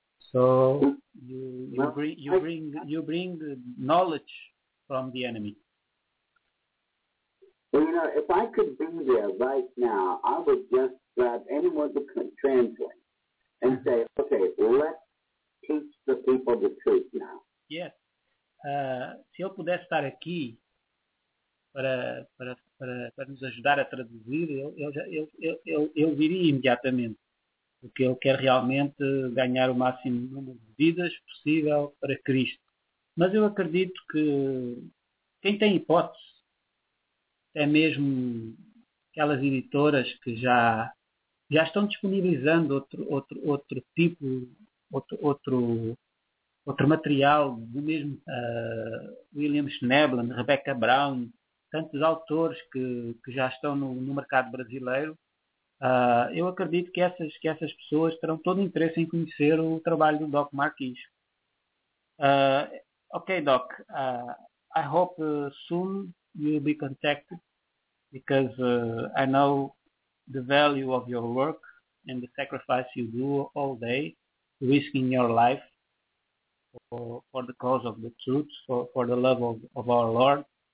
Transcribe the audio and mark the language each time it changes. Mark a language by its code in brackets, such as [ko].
[en] So you bring the knowledge from the enemy. Well, you know, if I could be there right now, I would just grab anyone to translate and say, okay, let's teach the people the truth now. Yes. [pt] Se eu pudesse estar aqui para nos ajudar a traduzir, eu viria imediatamente. Porque eu quero realmente ganhar o máximo número de vidas possível para Cristo. Mas eu acredito que quem tem hipótese, até mesmo aquelas editoras que já estão disponibilizando outro tipo, outro material, do mesmo William Schneblen, Rebecca Brown, tantos autores que já estão no mercado brasileiro. Eu acredito que essas pessoas terão todo o interesse em conhecer o trabalho do Doc Marquis. [en] Okay, Doc. I hope soon you'll be contacted, because I know the value of your work and the sacrifice you do all day, risking your life for the cause of the truth, for the love of our Lord.